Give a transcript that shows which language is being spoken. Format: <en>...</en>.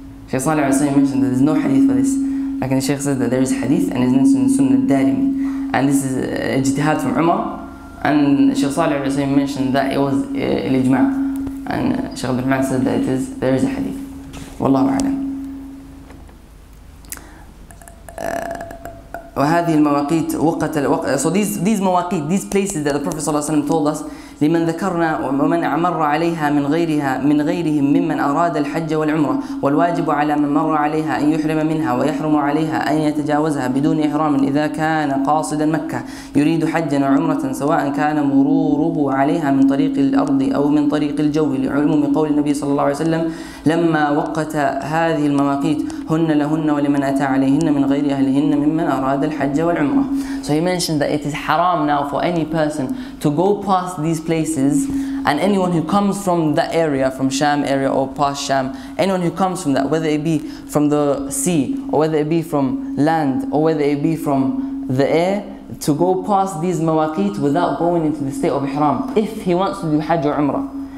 <en>Sheikh Saleh Al Usaymi mentioned that there's no hadith for this. Like the Sheikh said that there is hadith and it's mentioned in Sunnah Al-Darimi. And this is ijtihad from Umar. And Sheikh Saleh Al Usaymi mentioned that it was al-ijma'. And Sheikh Abdul Rahman said that there is a hadith. Wallahu a'lam.</en> <ar>وهذه المواقيت وقت</ar> <en>so these</en> <ar>مواقيت, these places that the Prophet صلى الله عليه وسلم told us لمن ذكرنا ومن عمر عليها من غيرها من غيرهم ممن أراد الحج والعمرة والواجب على من مر عليها أن يحرم منها ويحرم عليها أن يتجاوزها بدون إحرام إذا كان قاصدا مكة يريد حجا وعمرة سواء كان مروره عليها من طريق الأرض أو من طريق الجو لعموم قول النبي صلى الله عليه وسلم لما وقت هذه المواقيت هن لهن ولمن أتى عليهن من غير أهلهن ممن أراد الحج والعمرة.</ar> <en>So he mentioned that it is haram now for any person to go past these places, and anyone who comes from that area, from Sham area or past Sham, anyone who comes from that, whether it be from the sea or whether it be from land or whether it be from the air, to go past these mawaqit without going into the state of ihram if he wants to do Hajj or Umrah.</en>